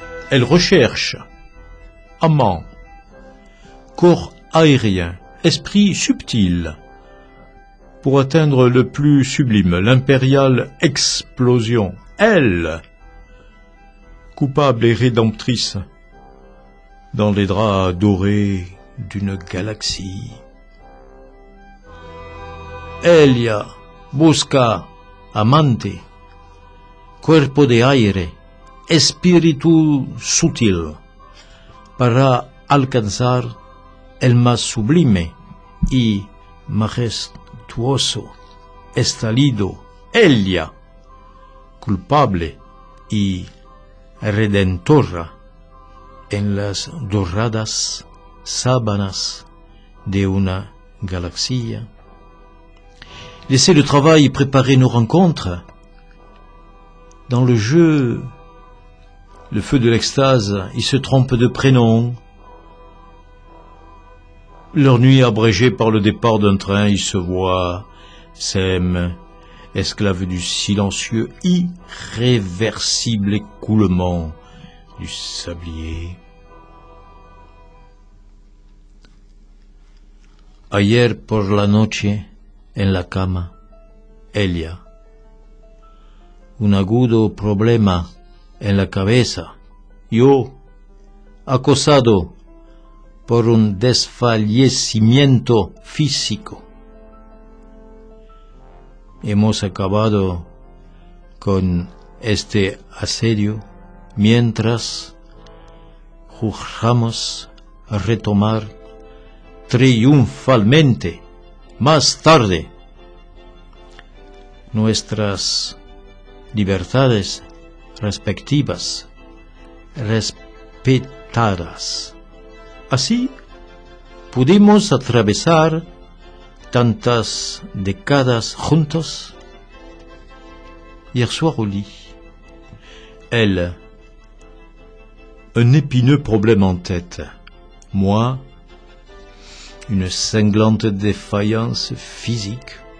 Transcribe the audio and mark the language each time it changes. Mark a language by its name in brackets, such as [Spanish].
[French] Elle recherche, amant, corps aérien, esprit subtil, pour atteindre le plus sublime, l'impériale explosion. Elle, coupable et rédemptrice, dans les draps dorés d'une galaxie. [Spanish] Elia, busca, amante, cuerpo de aire, espíritu sutil, para alcanzar el más sublime y majestuoso estallido. Elia, culpable y redentora en las doradas sábanas de una galaxia. [French] Laissez le travail préparer nos rencontres. Dans le jeu le feu de l'extase, ils se trompent de prénom. Leur nuit abrégée par le départ d'un train, ils se voient, s'aiment, esclaves du silencieux, irréversible écoulement du sablier. [Spanish] Ayer por la noche, en la cama, Elia. Un agudo problema en la cabeza. Yo, acosado por un desfallecimiento físico. Hemos acabado con este asedio mientras juzgamos retomar triunfalmente más tarde nuestras libertades respectivas, respetadas. Así pudimos atravesar tantas décadas juntos. [French] Hier soir au lit, elle, un épineux problème en tête, moi, une cinglante défaillance physique.